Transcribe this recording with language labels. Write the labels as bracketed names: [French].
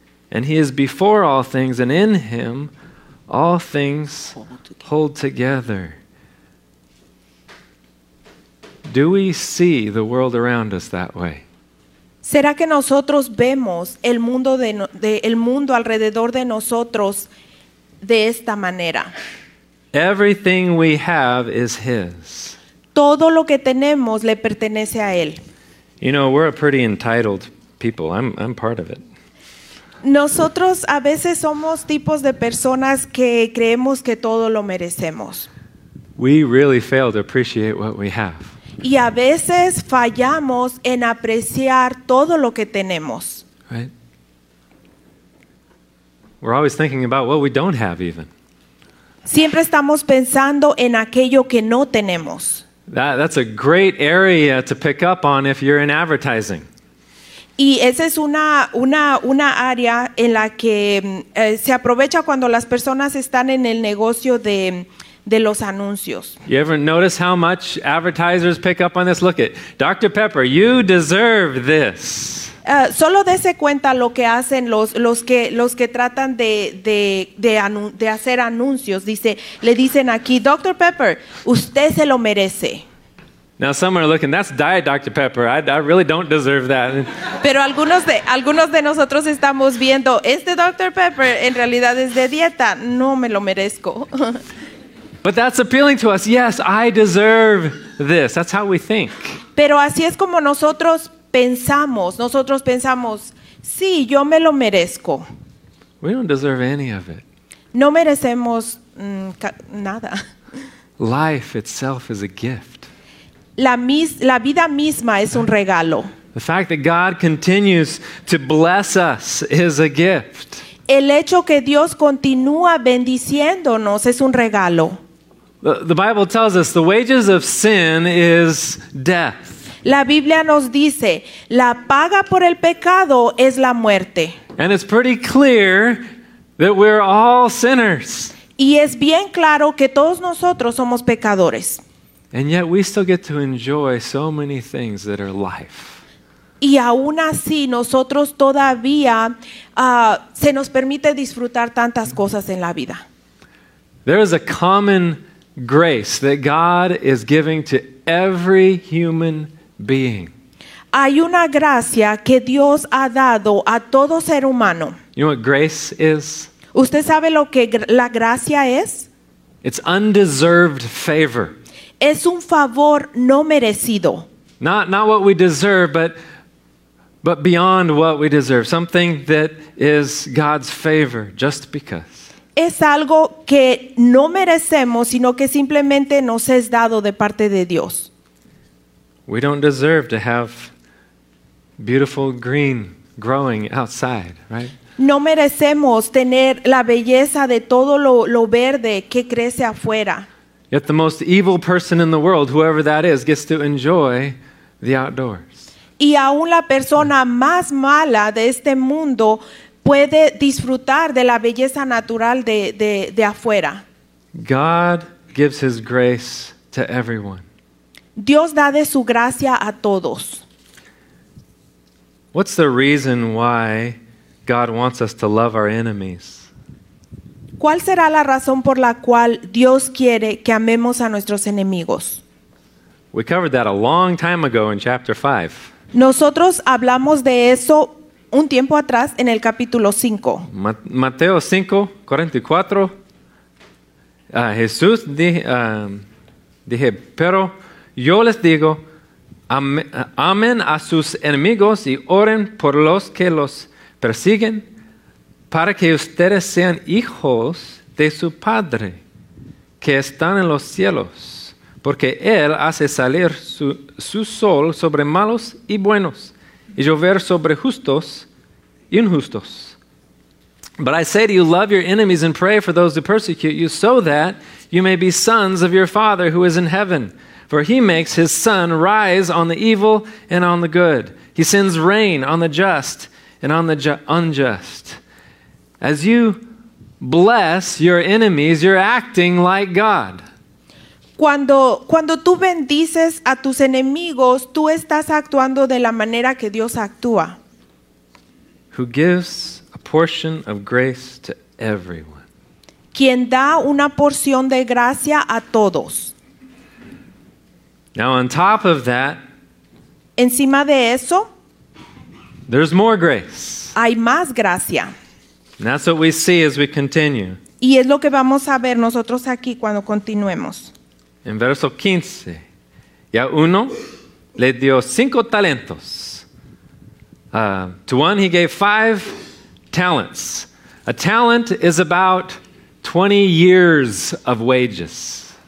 [English] And he is before all things, and in him all things hold together. Do we see the world around us that way? [Spanish] ¿Será que nosotros vemos el mundo el mundo alrededor de nosotros de esta manera? [English] Everything we have is his. [Spanish] Todo lo que tenemos le pertenece a él. [English] You know, we're a pretty entitled people. I'm part of it. [Spanish] Nosotros a veces somos tipos de personas que creemos que todo lo merecemos. [English] We really fail to appreciate what we have. [Spanish] Y a veces fallamos en apreciar todo lo que tenemos. [English] Right? We're always thinking about what we don't have even. [Spanish] Siempre estamos pensando en aquello que no tenemos. [English] That's a great area to pick up on if you're in advertising. [Spanish] Y esa es una área en la que se aprovecha cuando las personas están en el negocio de los anuncios. [English] You ever notice how much advertisers pick up on this? Look at Dr. Pepper, you deserve this. [Spanish] Solo dese cuenta lo que hacen los que tratan de hacer anuncios. Le dicen aquí, Dr. Pepper, usted se lo merece. [English] Now some are looking, that's Diet Dr. Pepper. I really don't deserve that. [Spanish] Pero algunos de nosotros estamos viendo, este Dr. Pepper en realidad es de dieta. No me lo merezco. [English] But that's appealing to us. Yes, I deserve this. That's how we think. [Spanish] Pero así es como nosotros pensamos. Nosotros pensamos, sí, yo me lo merezco. [English] We don't deserve any of it. [Spanish] No merecemos nada. [English] Life itself is a gift. [Spanish] La vida misma es un regalo. [English] The fact that God continues to bless us is a gift. [Spanish] El hecho que Dios continúa bendiciéndonos es un regalo. [English] The Bible tells us the wages of sin is death. [Spanish] La Biblia nos dice, la paga por el pecado es la muerte. [English] And it's pretty clear that we're all sinners. [Spanish] Y es bien claro que todos nosotros somos pecadores. [English] And yet we still get to enjoy so many things that are life. [Spanish] Y aún así nosotros todavía se nos permite disfrutar tantas cosas en la vida. [English] There is a common grace that God is giving to every human being. [Spanish] Hay una gracia que Dios ha dado a todo ser humano. [English] You know what grace is? [Spanish] ¿Usted sabe lo que la gracia es? [English] It's undeserved favor. [Spanish] Es un favor no merecido. [English] Not what we deserve, but beyond what we deserve. Something that is God's favor, just because. [Spanish] Es algo que no merecemos, sino que simplemente nos es dado de parte de Dios. [English] We don't deserve to have beautiful green growing outside, right? [Spanish] No merecemos tener la belleza de todo lo verde que crece afuera. [English] Yet the most evil person in the world, whoever that is, gets to enjoy the outdoors. [Spanish] Y aún la persona más mala de este mundo puede disfrutar de la belleza natural de afuera. [English] God gives his grace to everyone. [Spanish] Dios da de su gracia a todos. [English] What's the reason why God wants us to love our enemies? [Spanish] ¿Cuál será la razón por la cual Dios quiere que amemos a nuestros enemigos? [English] We covered that a long time ago in chapter 5. [Spanish] Nosotros hablamos de eso un tiempo atrás en el capítulo 5. Mateo 5:44. Jesús dije, pero yo les digo, amen a sus enemigos y oren por los que los persiguen, para que ustedes sean hijos de su Padre que está en los cielos, porque Él hace salir su sol sobre malos y buenos y llover sobre justos y injustos. [English] But I say to you, love your enemies and pray for those who persecute you, so that you may be sons of your Father who is in heaven. For He makes His sun rise on the evil and on the good. He sends rain on the just and on the unjust. As you bless your enemies, you're acting like God. [Spanish] Cuando tú bendices a tus enemigos, tú estás actuando de la manera que Dios actúa. [English] Who gives a portion of grace to everyone. [Spanish] Quien da una porción de gracia a todos. [English] Now on top of that, [Spanish] encima de eso, [English] there's more grace. [Spanish] Hay más gracia. [English] And that's what we see as we continue. [Spanish] Y es lo que vamos a ver nosotros aquí cuando continuemos. En verso 15, y a uno le dio 5 talentos. [English] To one he gave 5 talents. A talent is about 20 years of wages.